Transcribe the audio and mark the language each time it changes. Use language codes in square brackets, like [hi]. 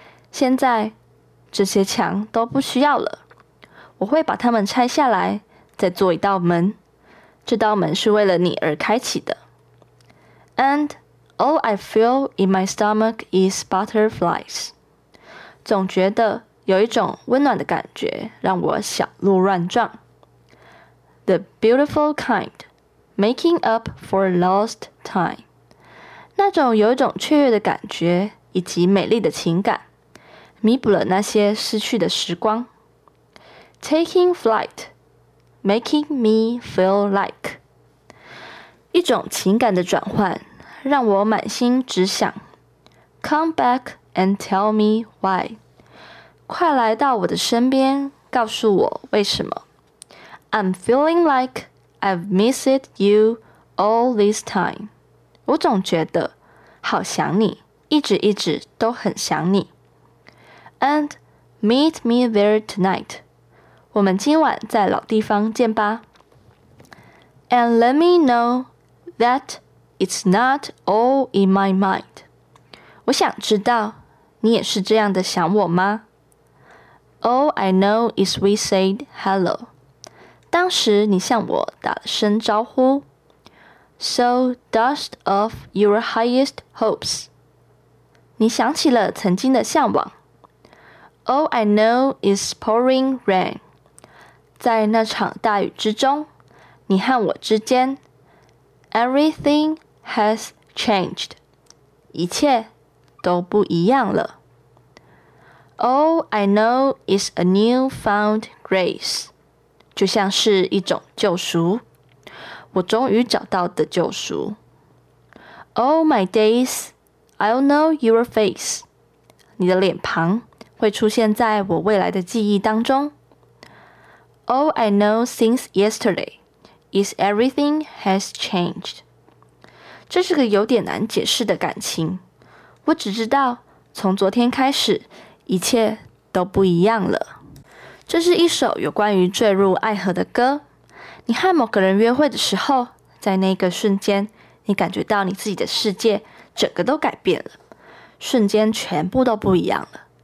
[zh] 现在这些墙都不需要了，我会把它们拆下来再做一道门，这道门是为了你而开启的。 [en] And all I feel in my stomach is butterflies. [zh] 总觉得有一种温暖的感觉让我小鹿乱撞。 [en] The beautiful kind, making up for lost time. [zh] 那种有一种雀跃的感觉以及美丽的情感弥补了那些失去的时光。 [en] Taking flight, making me feel like. [zh] 一种情感的转换让我满心只想 [en] Come back and tell me why. [zh] 快来到我的身边，告诉我为什么。 [en] I'm feeling like I've missed you all this time. [zh] 我总觉得好想你，一直一直都很想你。 [en] And meet me there tonight. [zh] 我们今晚在老地方见吧。 [en] And let me know that it's not all in my mind. [zh] 我想知道你也是这样的想我吗？ [en] All I know is we said hello. [zh] 当时你向我打了声招呼。 [en] So dust off your highest hopes. [zh] 你想起了曾经的向往。 [en] All I know is pouring rain. [zh] 在那场大雨之中，你和我之间。 [en] Everything has changed. [zh] 一切都不一样了。 [en] All I know is a new found grace. [zh] 就像是一种救赎。我终于找到的救赎。 [en] All my days, I'll know your face. [zh] 你的脸庞会出现在我未来的记忆当中。 [en] All I know since yesterday is everything has changed. [zh] 这是个有点难解释的感情。我只知道从昨天开始一切都不一样了。这是一首有关于坠入爱河的歌。你和某个人约会的时候，在那个瞬间，你感觉到你自己的世界整个都改变了，瞬间全部都不一样了。